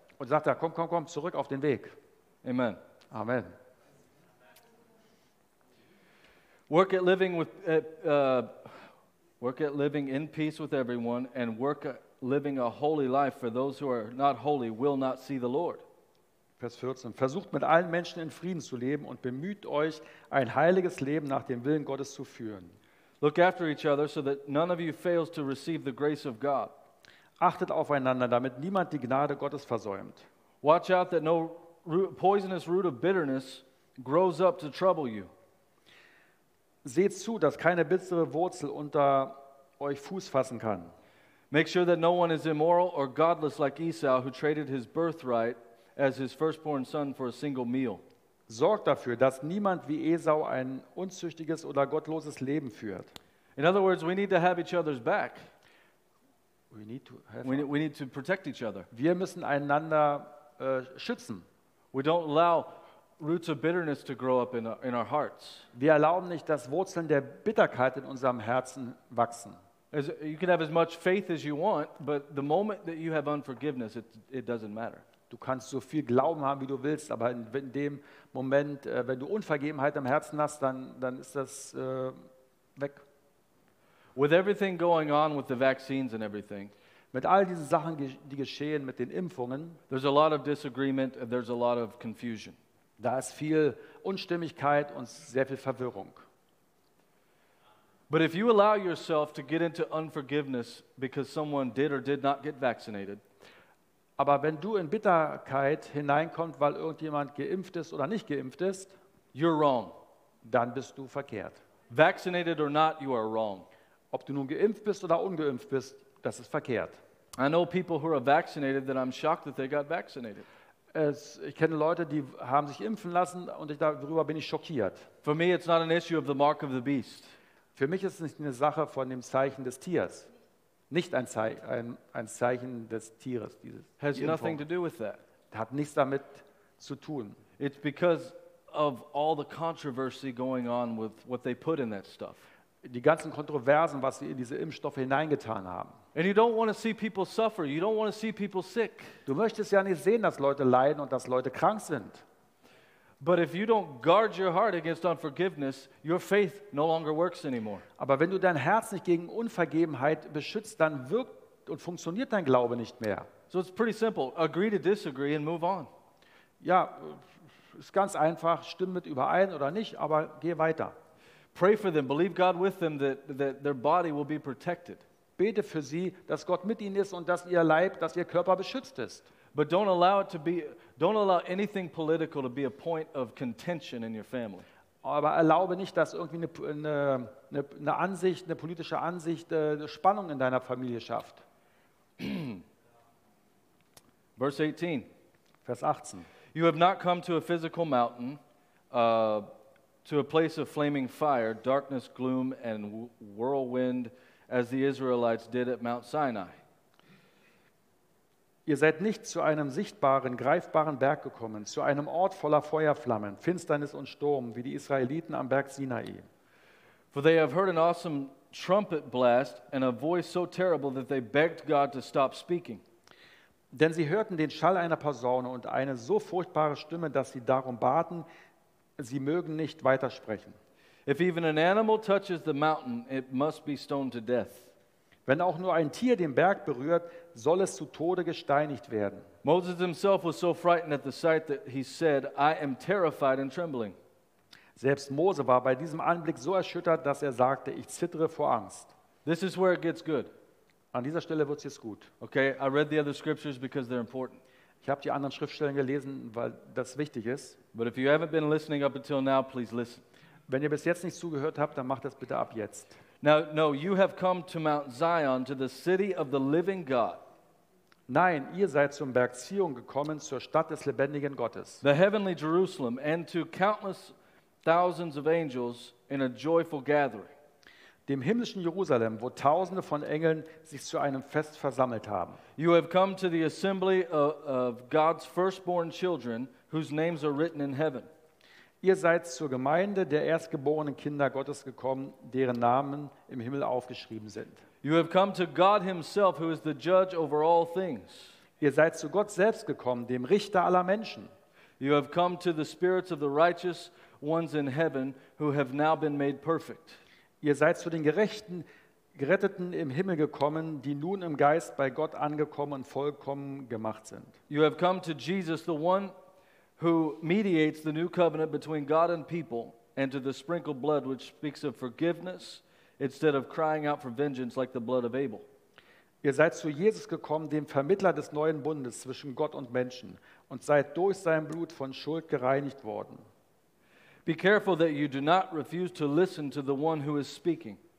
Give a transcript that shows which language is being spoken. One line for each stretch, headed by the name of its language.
German: Und sagt er, komm, zurück auf den Weg. Amen. Amen.
English: Work at living in peace with everyone, and work at living a holy life for those who are not holy will not see the Lord.
German: Vers 14. Versucht mit allen Menschen in Frieden zu leben und bemüht euch, ein heiliges Leben nach dem Willen Gottes zu führen.
English: Look after each other so that none of you fails to receive the grace of God.
German: Achtet aufeinander, damit niemand die Gnade Gottes versäumt.
English: Watch out that no poisonous root of bitterness grows up to trouble you.
German: Seht zu, dass keine bittere Wurzel unter euch Fuß fassen kann.
English: Make sure that no one is immoral or godless like Esau, who traded his birthright as his firstborn son for a single meal.
German: Sorgt dafür, dass niemand wie Esau ein unzüchtiges oder gottloses Leben führt.
English: In other words, we need to have each other's back. We need to protect each other.
German: Wir müssen einander schützen.
English: We don't allow roots of bitterness to grow up in our hearts.
German: Wir erlauben nicht, dass Wurzeln der Bitterkeit in unserem Herzen wachsen.
English: You can have as much faith as you want, but the moment that you have unforgiveness, it doesn't matter.
German: Du kannst so viel Glauben haben, wie du willst, aber in dem Moment, wenn du Unvergebenheit im Herzen hast, dann ist das weg.
English: With everything going on with the vaccines and everything,
German: mit all diesen Sachen, die geschehen mit den Impfungen,
English: there's a lot of disagreement and there's a lot of confusion.
German: Da ist viel Unstimmigkeit und sehr viel Verwirrung.
English: But if you allow yourself to get into unforgiveness because someone did or did not get vaccinated,
German: aber wenn du in Bitterkeit hineinkommst, weil irgendjemand geimpft ist oder nicht geimpft ist,
English: you're wrong.
German: Dann bist du verkehrt.
English: Vaccinated or not, you are wrong.
German: Ob du nun geimpft bist oder ungeimpft bist, das ist verkehrt.
English: I know people who are vaccinated that I'm shocked that they got vaccinated.
German: Ich kenne Leute, die haben sich impfen lassen und darüber bin ich schockiert.
English: For me it's not an issue of the mark of the beast.
German: Für mich ist es nicht eine Sache von dem Zeichen des Tieres. Nicht ein Zeichen des Tieres. Dieses
English: has nothing to do with that.
German: Hat nichts damit zu tun.
English: It's because of all the controversy going on with what they put in that stuff.
German: Die ganzen Kontroversen, was sie in diese Impfstoffe hineingetan haben.
English: And you don't want to see people suffer. You don't want to see people sick.
German: Du möchtest ja nicht sehen, dass Leute leiden und dass Leute krank sind.
English: But if you don't guard your heart against unforgiveness, your faith no longer works anymore.
German: Aber wenn du dein Herz nicht gegen Unvergebenheit beschützt, dann wirkt und funktioniert dein Glaube nicht mehr.
English: So it's pretty simple. Agree to disagree and move on.
German: Ja, ist ganz einfach. Stimm mit überein oder nicht, aber geh weiter.
English: Pray for them. Believe God with them that their body will be protected.
German: Bete für sie, dass Gott mit ihnen ist und dass ihr Leib, dass ihr Körper beschützt ist.
English: But don't allow it to be. Don't allow anything political to be a point of contention in your family.
German: Aber erlaube nicht, dass irgendwie eine Ansicht, eine politische Ansicht, eine Spannung in deiner Familie schafft.
English: Verse 18.
German: Vers 18.
English: You have not come to a physical mountain, to a place of flaming fire, darkness, gloom, and whirlwind, as the Israelites did at Mount Sinai.
German: Ihr seid nicht zu einem sichtbaren, greifbaren Berg gekommen, zu einem Ort voller Feuerflammen, Finsternis und Sturm, wie die Israeliten am Berg Sinai.
English: For they have heard an awesome trumpet blast and a voice so terrible that they begged God to stop speaking.
German: Denn sie hörten den Schall einer Posaune und eine so furchtbare Stimme, dass sie darum baten, sie mögen nicht weitersprechen.
English: If even an animal touches the mountain, it must be stoned to death.
German: Wenn auch nur ein Tier den Berg berührt, soll es zu Tode gesteinigt werden.
English: Moses himself was so frightened at the sight that he said, I am terrified and trembling.
German: Selbst Mose war bei diesem Anblick so erschüttert, dass er sagte, ich zittere vor Angst.
English: This is where it gets good.
German: An dieser Stelle wird es jetzt gut.
English: Okay, I read the other scriptures because they're important.
German: Ich habe die anderen Schriftstellen gelesen, weil das wichtig ist.
English: But if you haven't been listening up until now, please listen.
German: Wenn ihr bis jetzt nicht zugehört habt, dann macht das bitte ab jetzt.
English: Now, no, you have come to Mount Zion, to the city of the living God.
German: Nein, ihr seid zum Berg Zion gekommen, zur Stadt des lebendigen Gottes.
English: The heavenly Jerusalem, and to countless thousands of angels in a joyful gathering.
German: Dem himmlischen Jerusalem, wo Tausende von Engeln sich zu einem Fest versammelt haben.
English: You have come to the assembly of God's firstborn children, whose names are written in heaven.
German: Ihr seid zur Gemeinde der erstgeborenen Kinder Gottes gekommen, deren Namen im Himmel aufgeschrieben sind.
English: You have come to God himself, who is the judge over all things.
German: Ihr seid zu Gott selbst gekommen, dem Richter aller Menschen.
English: You have come to the spirits of the righteous ones in heaven, who have now been made perfect.
German: Ihr seid zu den Gerechten, Geretteten im Himmel gekommen, die nun im Geist bei Gott angekommen und vollkommen gemacht sind.
English: You have come to Jesus, the one who mediates the new covenant between God and people, and to the sprinkled blood which speaks of forgiveness instead of crying out for vengeance like the blood of Abel.
German: Ihr seid zu Jesus gekommen, dem Vermittler des neuen Bundes zwischen Gott und Menschen, und seid durch sein Blut von Schuld gereinigt worden.
English: Be careful that you do not refuse to listen to the one who is speaking.